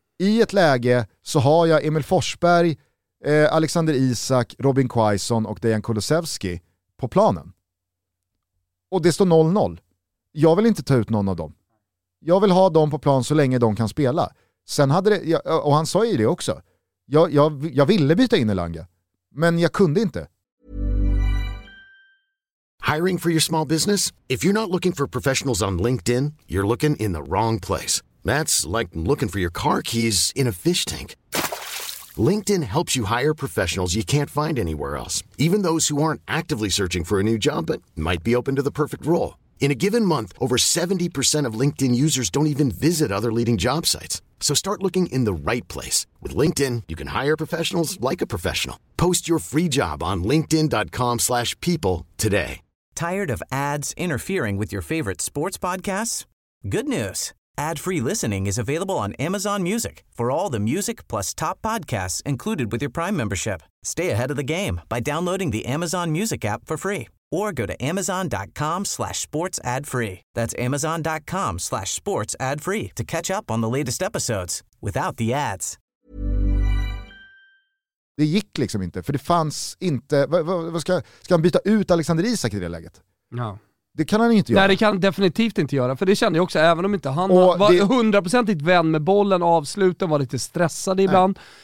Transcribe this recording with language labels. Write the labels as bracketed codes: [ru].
[sv] I ett läge så har jag Emil Forsberg, Alexander Isak, Robin Quaison och Dejan Kulusevski på planen. Och det står 0-0. Jag vill inte ta ut någon av dem. Jag vill ha dem på plan så länge de kan spela. Sen hade det, och han sa ju det också. Jag ville byta in Elanga, men jag kunde inte. [en] Hiring for your small business? If you're not looking for professionals on LinkedIn, you're looking in the wrong place. That's like looking for your car keys in a fish tank. LinkedIn helps you hire professionals you can't find anywhere else, even those who aren't actively searching for a new job but might be open to the perfect role. In a given month, over 70% of LinkedIn users don't even visit other leading job sites. So start looking in the right place. With LinkedIn, you can hire professionals like a professional. Post your free job on linkedin.com/people today. Tired of ads interfering with your favorite sports podcasts? Good news. Ad-free listening is available on Amazon Music for all the music plus top podcasts included with your Prime membership. Stay ahead of the game by downloading the Amazon Music app for free or go to amazon.com/sportsadfree. That's amazon.com/sportsadfree to catch up on the latest episodes without the ads. [sv] Det gick liksom inte, för det fanns inte... Ska han byta ut Alexander Isak i det läget? Ja. Det kan han inte göra. Nej, det kan han definitivt inte göra. För det kände jag också, även om inte han var 100% vän med bollen, avsluten, var lite stressad ibland.